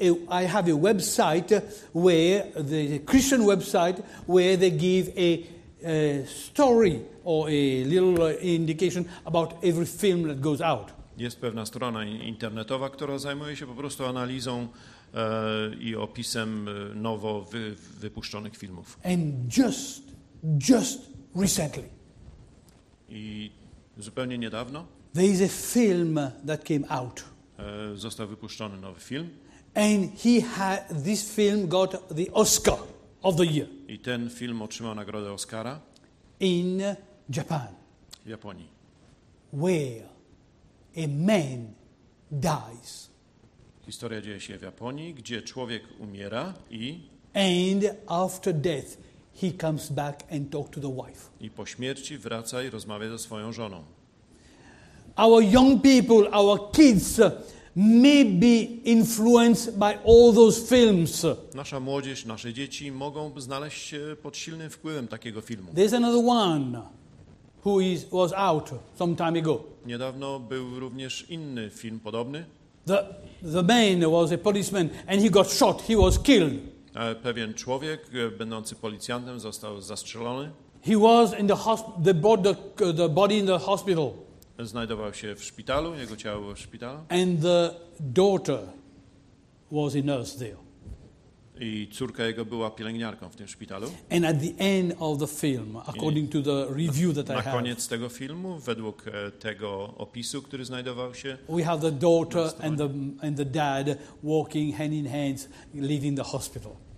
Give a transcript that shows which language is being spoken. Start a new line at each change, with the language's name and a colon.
English: I have a website where the Christian website where they give a story or a little indication about every film that goes out.
Polish: Jest pewna strona internetowa, która zajmuje się po prostu analizą i opisem nowo wypuszczonych filmów.
English: And just recently.
Polish: I zupełnie niedawno.
English: There is a film that came out.
Polish: został wypuszczony nowy film.
English: And he had this film got the Oscar of the year.
Polish: I ten film otrzymał nagrodę Oscara.
English: In Japan.
Polish: W Japonii.
English: Where a man dies.
Polish: Historia dzieje się w Japonii, gdzie człowiek umiera i
English: and after death he comes back and talk to the wife.
Polish: I po śmierci wraca i rozmawia ze swoją żoną.
English: Our young people, our kids may be influenced by all those films.
Polish: Nasza młodzież, nasze dzieci mogą znaleźć się pod silnym wpływem takiego filmu.
English: There's another one who was out some time ago.
Polish: Niedawno był również inny film podobny.
English: The man was a policeman and he got shot. He was killed.
Polish: Pewien człowiek będący policjantem został zastrzelony.
English: He was in the hospital. They brought the body in the hospital.
Polish: Znajdował się w szpitalu, jego ciało było w szpitalu.
English: And the daughter was a nurse there.
Polish: I córka jego była pielęgniarką w tym szpitalu.
English: And at the end of the film, according to the review that I have.
Polish: Na koniec tego filmu, według tego opisu, który znajdował się.
English: We have the daughter and the dad walking hand in hand, leaving the hospital.